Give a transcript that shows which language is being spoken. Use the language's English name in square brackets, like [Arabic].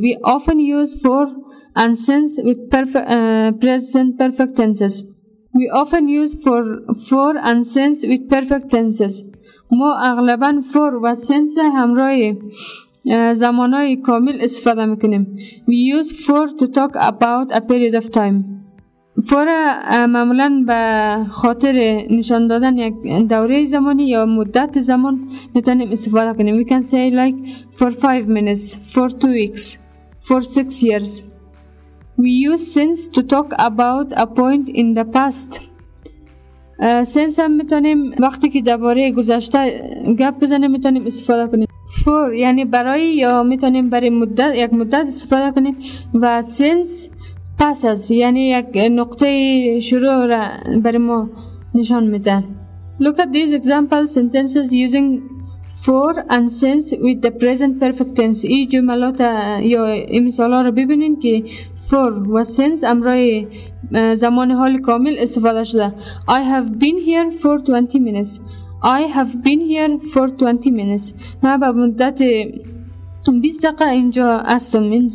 [English] We often use for and since with present perfect tenses. We often use for and since with perfect tenses. [Persian] ما اغلبا for و since همراه زمانهای کامل استفاده میکنیم. [English] We use for to talk about a period of time. [Persian] فورا معمولا به خاطر نشان دادن یک دوره زمانی یا مدت زمان میتونیم استفاده کنیم. [English] We can say like for 5 minutes, for 2 weeks, for 6 years. We use since to talk about a point in the past. [Persian] Since هم میتونیم وقتی که درباره گذشته گپ بزنیم میتونیم استفاده کنیم. For یعنی برای یا میتونیم برای مدت یک مدت استفاده کنیم و since پس از یعنی یک نقطه شروع را برای ما نشان میده. [English] Look at these example sentences using for and since with the present perfect tense. [Persian] این جملات یا این مثال ها را ببینین که for و since امرای زمان حال کامل استفاده شده. [English] I have been here for 20 minutes. I have been here for 20 minutes. [Persian] من به مدت 20 دقیقه اینجا هستم.